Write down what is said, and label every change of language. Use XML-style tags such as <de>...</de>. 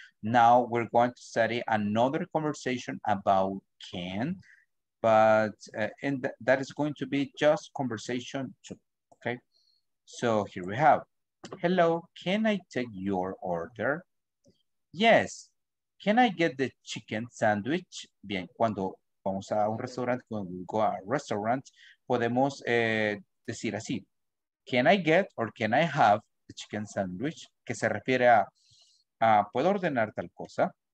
<en>Now we're going to study another conversation about can, but and that is going to be just conversation two, okay? So here we have, hello, can I take your order? Yes. Can I get the chicken sandwich?</en> <es>Bien, cuando vamos a un restaurante, cuando</es> <en>we go a restaurant,</en> <es>podemos decir así.</es> <en>Can I get or can I have the chicken sandwich?</en> <es>Que se refiere a ¿puedo ordenar tal cosa?</es>